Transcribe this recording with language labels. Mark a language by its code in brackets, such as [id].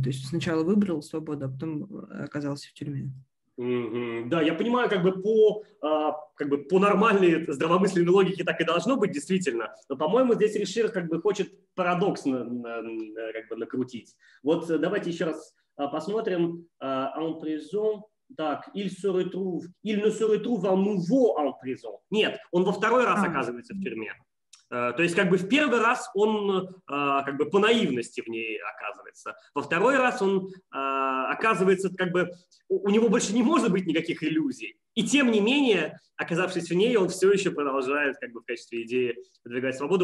[ru] То есть сначала выбрал свободу, а потом оказался в тюрьме. Да, я понимаю, как бы по, как бы по нормальной здравомысленной логике так и должно быть, действительно. Но, по-моему, здесь Ришир как бы хочет парадокс как бы накрутить. Вот давайте еще раз посмотрим. [fr] En prison, [ru] так, [fr] il se retrouve, il ne se retrouve à nouveau en prison. [ru] Нет, он во второй раз оказывается в тюрьме. То есть как бы в первый раз он как бы по наивности в ней оказывается. Во второй раз он оказывается, как бы у него больше не может быть никаких иллюзий. И тем не менее, оказавшись в ней, он все еще продолжает как бы в качестве идеи выдвигать свободу.